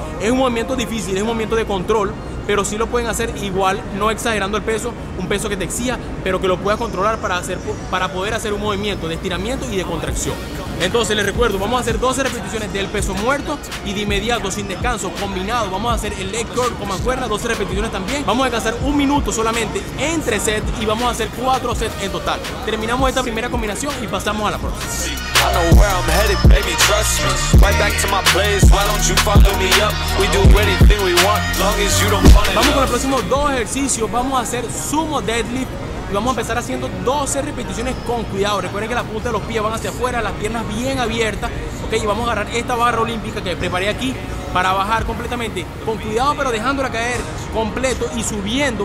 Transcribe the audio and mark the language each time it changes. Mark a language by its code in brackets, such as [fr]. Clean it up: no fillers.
[es] Es un movimiento difícil, es un movimiento de control, pero sí lo pueden hacer igual, no exagerando el peso, un peso que te exija, pero que lo puedas controlar para poder hacer un movimiento de estiramiento y de contracción. Entonces les recuerdo, vamos a hacer 12 repeticiones del peso muerto y de inmediato, sin descanso, combinado, vamos a hacer el leg curl con mancuerna, 12 repeticiones también. Vamos a descansar un minuto solamente entre set y vamos a hacer 4 sets en total. Terminamos esta primera combinación y pasamos a la próxima. [en] I know where I'm headed, baby, trust me. Right back to my place, why don't you follow me up? We do anything we want, long as you don't want it. [es] Vamos con los próximos dos ejercicios. Vamos a hacer sumo deadlift y vamos a empezar haciendo 12 repeticiones con cuidado. Recuerden que la punta de los pies van hacia afuera, las piernas bien abiertas, ¿ok? Y vamos a agarrar esta barra olímpica que preparé aquí para bajar completamente con cuidado, pero dejándola caer completo y subiendo.